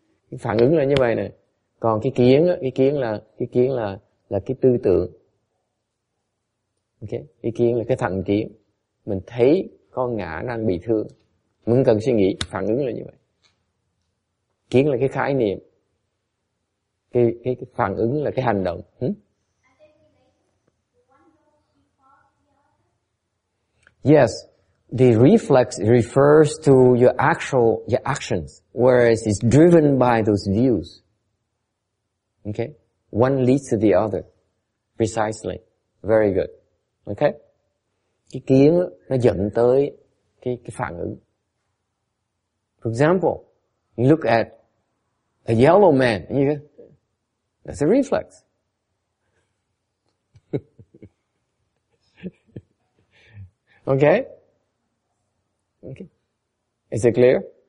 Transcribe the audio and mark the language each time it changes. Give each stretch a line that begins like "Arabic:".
Vietnamese: Cái phản ứng là như vậy nè. Còn cái kiến á, cái kiến là cái tư tưởng. Okay? Cái kiến là cái thành kiến. Mình thấy con ngã đang bị thương, mình cần suy nghĩ, phản ứng là như vậy. Kiến là cái khái niệm, cái phản ứng là cái hành động.
English: Yes, the reflex refers to your actions, whereas it's driven by those views. Okay? One leads to the other. Precisely. Very good. Okay?
Vietnamese: Cái kiến nó dẫn tới cái phản ứng.
English: For example, you look at a yellow man, you go, that's a reflex. Okay? Okay. Is it clear?